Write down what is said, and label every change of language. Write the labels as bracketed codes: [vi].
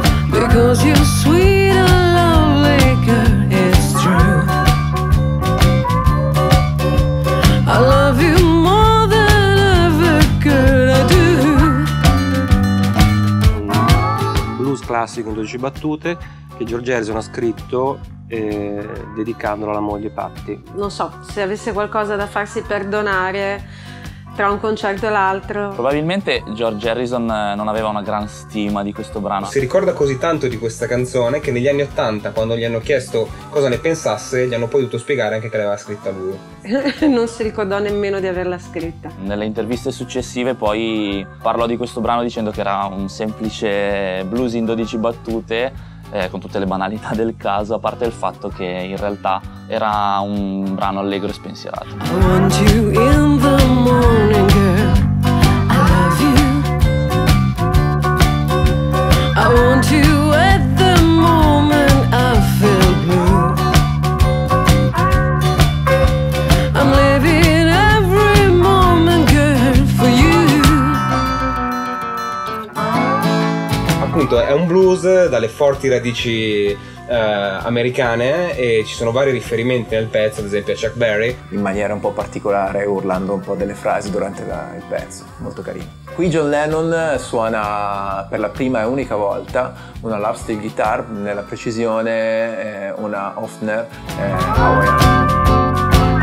[en] Because you're sweet and lovely girl, it's true. I love you more than ever could I do. [it] Un blues classico in 12 battute che George Harrison ha scritto dedicandolo alla moglie Patty. Non so se avesse qualcosa da farsi perdonare tra un concerto e l'altro. Probabilmente George Harrison non aveva una gran stima di questo brano. Si ricorda così tanto di questa canzone che negli anni 80, quando gli hanno chiesto cosa ne pensasse, gli hanno poi dovuto spiegare anche che l'aveva scritta lui. Non si ricordò nemmeno di averla scritta. Nelle interviste successive poi parlò di questo brano dicendo che era un semplice blues in 12 battute, con tutte le banalità del caso, a parte il fatto che in realtà era un brano allegro e spensierato. [en] I want you in the morning, girl. I love you. I want you at the moment I feel blue. I'm living every moment, girl, for you. [it] Appunto, è un blues dalle forti radici americane, e ci sono vari riferimenti nel pezzo, ad esempio a Chuck Berry in maniera un po' particolare, urlando un po' delle frasi durante il pezzo, molto carino. Qui John Lennon suona per la prima e unica volta una lapsteel guitar, nella precisione una Hofner Hauer.